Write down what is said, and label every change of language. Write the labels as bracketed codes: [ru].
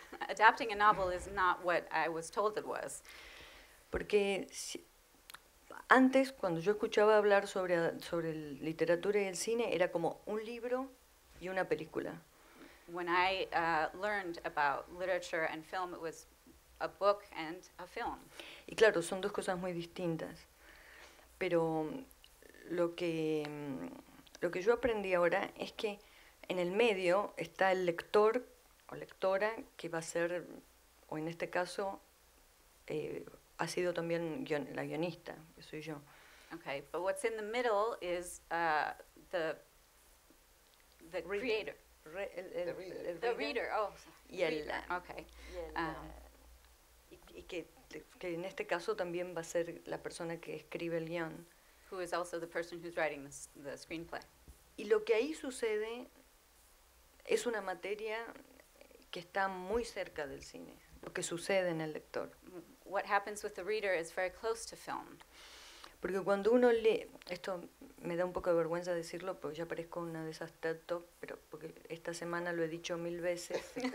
[en] Adapting a novel is not what I was told it was. [es] Porque si, antes, cuando yo escuchaba hablar sobre literatura y el cine, era como un libro y una película. [en] When I learned about literature and film, it was a book and a film. [es] Y claro, son dos cosas muy distintas. Pero lo que yo aprendí ahora es que en el medio está el lector o lectora que va a ser, o en este caso, ha sido también la guionista, que soy yo. [en] Okay, but what's in the middle is the creator. The reader. Oh, [es] y el, okay. Y que en este caso también va a ser la persona que escribe el guion. [en] Who is also the person who's writing the screenplay. [es] Y lo que ahí sucede es una materia que está muy cerca del cine, lo que sucede en el lector. [en] What happens with the reader is very close to film. [es] Porque cuando uno lee, esto me da un poco de vergüenza decirlo, porque ya parezco una de esas TED Talk, pero porque esta semana lo he dicho mil veces.